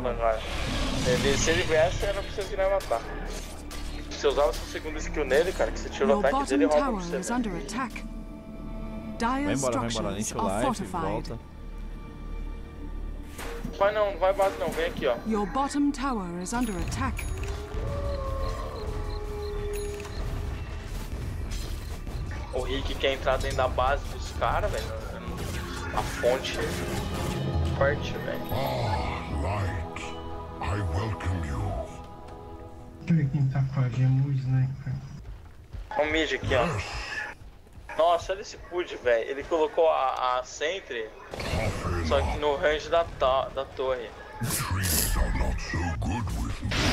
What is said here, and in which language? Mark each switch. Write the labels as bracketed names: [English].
[Portuguese] volta agora. Ele, se ele viesse, era pra você virar e matar. Você usava seu segundo skill nele, cara, que você tirou o ataque dele e rouba pra você. Vai embora, enche o life, volta. Não vai base não, vem aqui, ó. [English] Your bottom tower is under attack. [Portuguese] O Rick quer entrar dentro da base dos caras, velho. A fonte forte, velho. [English] Ah, Light, I welcome you. [Portuguese] Tem que entrar com a gemus, né, cara? Um mid aqui, ó. Yes. Nossa, olha esse pud, velho. Ele colocou a sentry, só que no range da torre. [English] Trees are not so good with me.